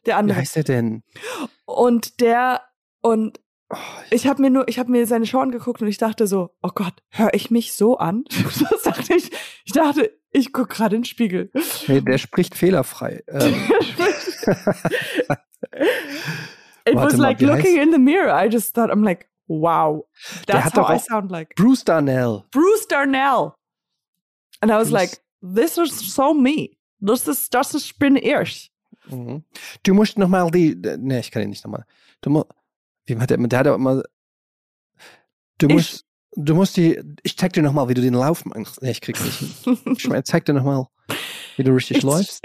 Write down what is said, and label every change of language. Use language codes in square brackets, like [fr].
[de] Der andere. Wie heißt der denn? Und der, und ich habe mir seine Show angeguckt und ich dachte so, oh Gott, höre ich mich so an? Das dachte ich. Ich dachte, ich gucke gerade in den Spiegel. Nee, der spricht fehlerfrei. [en] It was like looking in the mirror. I just thought, I'm like, wow. That's how I sound like. Bruce Darnell. Bruce Darnell. And I was like, this is so me. [de] Das bin ich. Du musst nochmal die. Nee, ich kann ihn nicht nochmal. Wie hat der hat immer. Ich zeig dir nochmal, wie du den Lauf machst. Nee, ich krieg's nicht. Ich zeig dir nochmal, wie du richtig läufst.